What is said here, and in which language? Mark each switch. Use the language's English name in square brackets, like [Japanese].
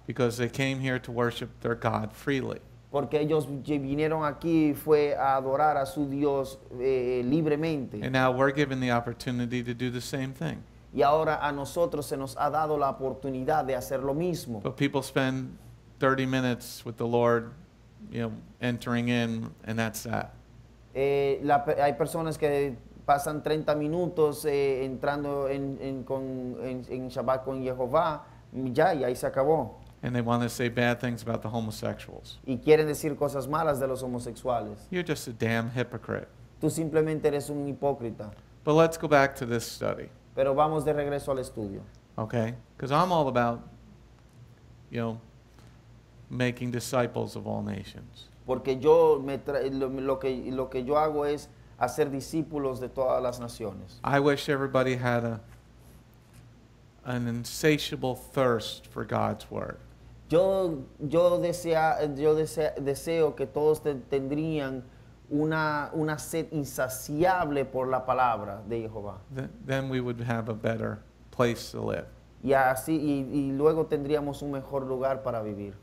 [English] Because they came here to worship their God freely. [Spanish] Porque ellos vinieron aquí y fue a adorar a su Dios libremente. [English] And now we're given the opportunity to do the same thing. [Spanish] Y ahora a nosotros se nos ha dado la oportunidad de hacer lo mismo. [English] But people spend 30 minutes with the Lord, entering in, and that's that. [Spanish] Hay personas que pasan 30 minutos entrando en Shabbat con Jehová, y ahí se acabó. [English] And they want to say bad things about the homosexuals. [Spanish] Y quieren decir cosas malas de los homosexuales. [English] You're just a damn hypocrite. [Spanish] Tú simplemente eres un hipócrita. [English] But let's go back to this study. [Spanish] Pero vamos de regreso al estudio. [English] Okay, because I'm all about, making disciples of all nations. [Spanish] Porque yo lo que yo hago es hacer discípulos de todas las naciones. [English] I wish everybody had an insatiable thirst for God's word. [Spanish] Yo deseo que todos tendrían una sed insaciable por la palabra de Jehová. [English] Then we would have a better place to live. [Spanish] Y así y luego tendríamos un mejor lugar para vivir.